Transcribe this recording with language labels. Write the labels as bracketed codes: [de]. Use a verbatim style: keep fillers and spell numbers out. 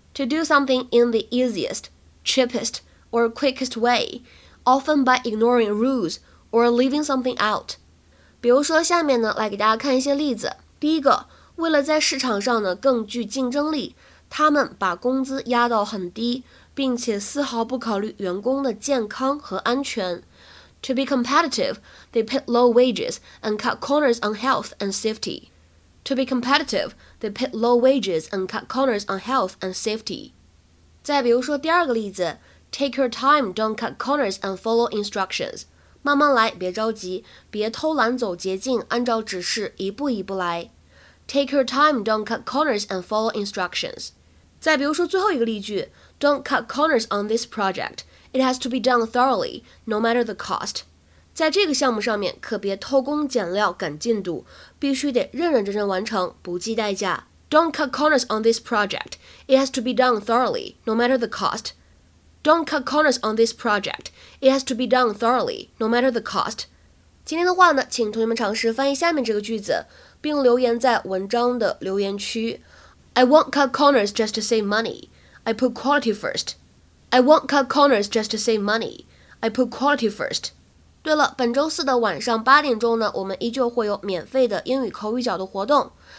[en] To do something in the easiest, cheapest, or quickest way, often by ignoring rules or leaving something out. [zh] 比如说下面呢来给大家看一些例子。第一个，为了在市场上呢更具竞争力，他们把工资压到很低，并且丝毫不考虑员工的健康和安全。 [en] To be competitive, they paid low wages and cut corners on health and safety. To be competitive, they paid low wages and cut corners on health and safety. [zh] 再比如说第二个例子 [en] ，Take your time, don't cut corners and follow instructions. [zh] 慢慢来，别着急，别偷懒走捷径，按照指示一步一步来。 [en] Take your time, don't cut corners and follow instructions. [zh] 再比如说最后一个例句 [en] Don't cut corners on this project. It has to be done thoroughly, no matter the cost. [zh] 在这个项目上面，可别偷工减料赶进度，必须得认认真真完成，不计代价。 [en] Don't cut corners on this project. It has to be done thoroughly, no matter the cost. Don't cut corners on this project. It has to be done thoroughly, no matter the cost. [zh] 今天的话呢，请同学们尝试翻译下面这个句子，并留言在文章的留言区。 [en] I won't cut corners just to save money. I put quality first. I won't cut corners just to save money. I put quality first. [zh] 对了，本周四的晚上八点钟呢，我们依旧会有免费的英语口语角的活动。